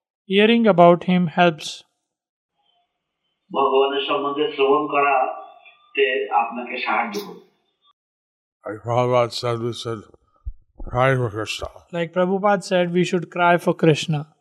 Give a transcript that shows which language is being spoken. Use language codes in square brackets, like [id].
[en] Hearing about him helps. [bn] ভগবানের সম্বন্ধে শ্রবণ করাতে আপনাকে সাহায্য করবে। [en] Like Prabhupada said, we should cry for Krishna. Like Prabhupada said, we should cry for Krishna.